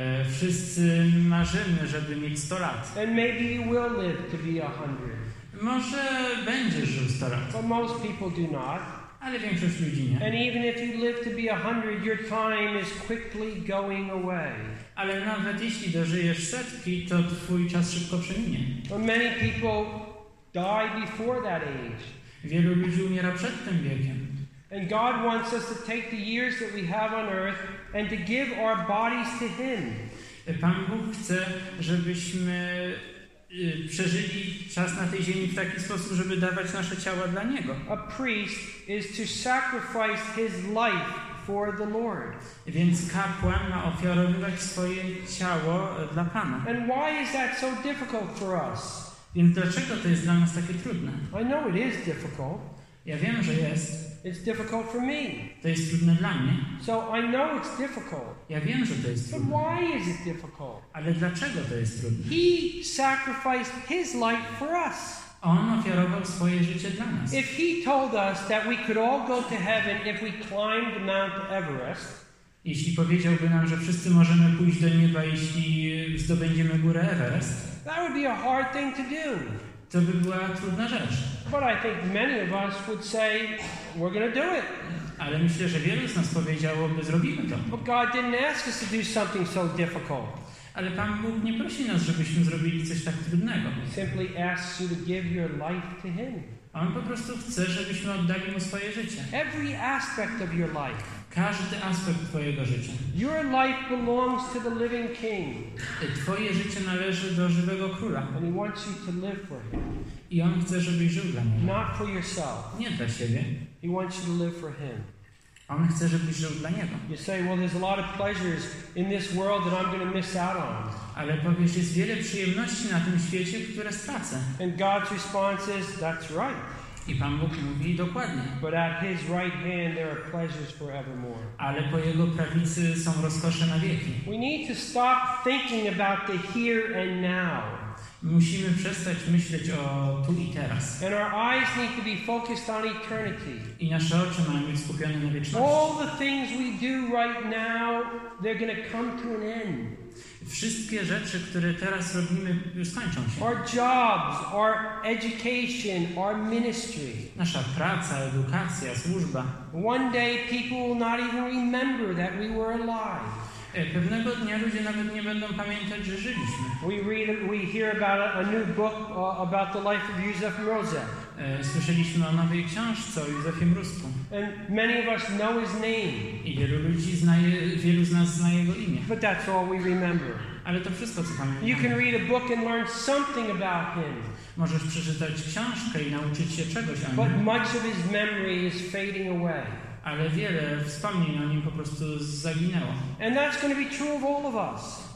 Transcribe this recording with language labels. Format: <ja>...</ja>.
<pl>Wszyscy marzymy, żeby mieć 100 lat.</pl> <en>And maybe you will live to be 100.</en> <pl>Może będziesz żył 100 lat.</pl> <en>But most people do not.</en> <pl>Ale większość ludzi nie.</pl> <en>And even if you live to be 100, your time is quickly going away.</en> <pl>Ale nawet jeśli dożyjesz setki, to twój czas szybko przeminie.</pl> <en>But many people die before that age.</en> <pl>Wielu ludzi umiera przed tym wiekiem.</pl> <en>And God wants us to take the years that we have on earth and to give our bodies to Him.</en> <pl>Pan Bóg chce, żebyśmy przeżyli czas na tej ziemi w taki sposób, żeby dawać nasze ciała dla Niego.</pl> <en>A priest is to sacrifice his life for the Lord.</en> <pl>Więc kapłan ma ofiarowywać swoje ciało dla Pana.</pl> <en>And why is that so difficult for us?</en> <pl>Więc dlaczego to jest dla nas takie trudne?</pl> <en>I know it is difficult.</en> <pl>Ja wiem, że jest.</pl> <en>It's difficult for me.</en> <pl>To jest trudne dla mnie.</pl> <en>So I know it's difficult.</en> <pl>Ja wiem, że to jest trudne.</pl> <en>But why is it difficult?</en> <pl>Ale dlaczego to jest trudne?</pl> <en>He sacrificed his life for us.</en> <pl>On ofiarował swoje życie dla nas.</pl> <en>If he told us that we could all go to heaven if we climbed Mount Everest.</en> <pl>Jeśli powiedziałby nam, że wszyscy możemy pójść do nieba, jeśli zdobędziemy górę Everest.</pl> <en>That would be a hard thing to do.</en> <pl>To by była trudna rzecz.</pl> <en>But I think many of us would say, we're going to do it.</en> <pl>Ale myślę, że wielu z nas powiedziałoby, zrobimy to.</pl> <en>But God didn't ask us to do something so difficult.</en> <pl>Ale Pan Bóg nie prosi nas, żebyśmy zrobili coś tak trudnego.</pl> <en>He simply asks you to give your life to Him.</en> <pl>On po prostu chce, żebyśmy oddali Mu swoje życie.</pl> <en>Every aspect of your life.</en> <pl>Każdy aspekt Twojego życia.</pl> <en>Your life belongs to the living King.</en> <pl>Twoje życie należy do żywego Króla.</pl> <en>And He wants you to live for Him.</en> <pl>I On chce, żebyś żył dla Niego.</pl> <en>Not for yourself.</en> <pl>Nie dla siebie.</pl> <en>He wants you to live for Him.</en> <pl>On chce, żebyś żył dla Niego.</pl> <en>You say, well, there's a lot of pleasures in this world that I'm going to miss out on.</en> <pl>Ale powiesz, jest wiele przyjemności na tym świecie, które stracę.</pl> <en>And God's response is, that's right.</en> <pl>I Pan Bóg mówi dokładnie.</pl> <en>But at His right hand there are pleasures forevermore.</en> <pl>Ale po Jego prawicy są rozkosze na wieki.</pl> <en>We need to stop thinking about the here and now.</en> <pl>Musimy przestać myśleć o tu i teraz.</pl> <en>And our eyes need to be focused on eternity.</en> <pl>I nasze oczy mają być skupione na wieczności.</pl> <en>All the things we do right now, they're going to come to an end.</en> <pl>Wszystkie rzeczy, które teraz robimy, już skończą się.</pl> <en>Our jobs, our education, our ministry.</en> <pl>Nasza praca, edukacja, służba.</pl> <en>One day people will not even remember that we were alive.</en> <pl>Pewnego dnia ludzie nawet nie będą pamiętać, że żyliśmy.</pl> <en>We hear about a new book about the life of Józef Mroza.</en> <pl>Słyszeliśmy o nowej książce o Józefie Mrózku.</pl> <en>And many of us know his name.</en> <pl>I wielu z nas zna jego imię.</pl> <en>But that's all we remember.</en> <pl>Ale to wszystko, co pamiętamy.</pl> <en>You can read a book and learn something about him.</en> <pl>Możesz przeczytać książkę i nauczyć się czegoś o nim.</pl> <en>But much of his memory is fading away.</en> <pl>Ale wiele wspomnień o nim po prostu zaginęło.</pl> <en>And that's going to be true of all of us.</en>